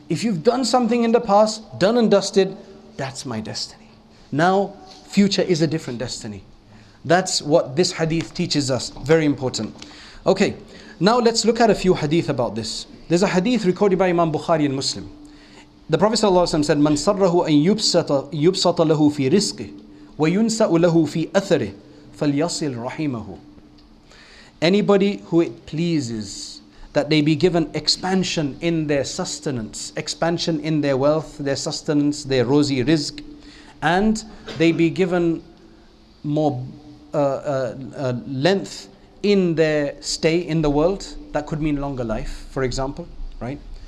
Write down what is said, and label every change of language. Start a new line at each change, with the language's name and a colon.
English: If you've done something in the past, done and dusted, that's my destiny. Now, future is a different destiny. That's what this hadith teaches us. Very important. Okay. Now, let's look at a few hadith about this. There's a hadith recorded by Imam Bukhari and Muslim. The Prophet ﷺ said,
Arabic: مَنْ صَرَّهُ أَنْ يُبْسَطَ لَهُ فِي رِزْقِهِ وَيُنْسَأُ لَهُ فِي أَثَرِهِ فَلْيَصِلْ رَحِيمَهُ.
English: Anybody who it pleases that they be given expansion in their sustenance, expansion in their wealth, their sustenance, their rosy rizq, and they be given more length in their stay in the world, that could mean longer life, for example, right?